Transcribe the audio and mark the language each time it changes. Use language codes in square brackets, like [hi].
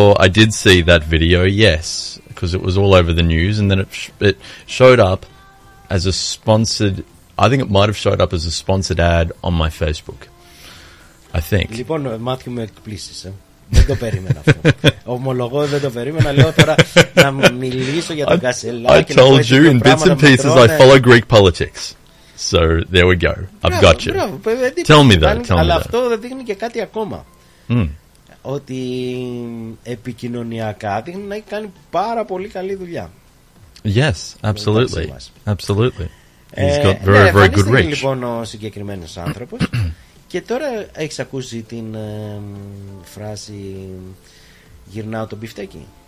[en] I did see that video, yes, because it was all over the news, and then it showed up as a sponsored, I think it might have showed up as a sponsored ad on my Facebook, I think. [el] Λοιπόν, Μάθιου, με εκπλήσεις. Δεν το περίμενα αυτό. Ομολογώ, δεν το περίμενα. Λέω τώρα να μιλήσω για τον Κασελάκη. [en] I told you in bits and pieces I follow Greek politics. So there we go. I've got you. Tell me that. [el] Αλλά αυτό δεν δείχνει και κάτι ακόμα. ότι επικοινωνιακά δείχνει να έχει κάνει πάρα πολύ καλή δουλειά. [en] Yes, absolutely. Absolutely. He's got very, ναι, very good reach. [el] Λοιπόν, ο συγκεκριμένος άνθρωπος. Και τώρα έχεις ακούσει την φράση «γυρνάω το μπιφτέκι»?